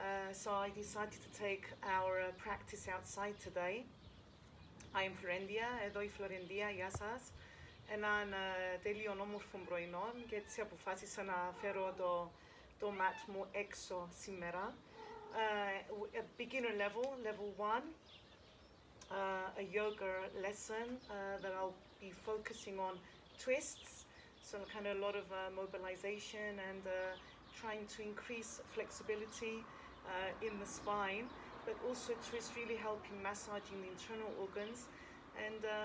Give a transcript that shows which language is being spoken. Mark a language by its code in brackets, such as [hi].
[en] So I decided to take our practice outside today. I am Florendia, [el] εδώ η Φλωρεντία, γεια σας. Έναν τέλειον όμορφο πρωινό και έτσι αποφάσισα να φέρω το mat μου έξω σήμερα. [en] A beginner level 1. A yoga lesson that I'll be focusing on twists, so kind of a lot of mobilization and trying to increase flexibility in the spine, but also twists really help in massaging the internal organs, and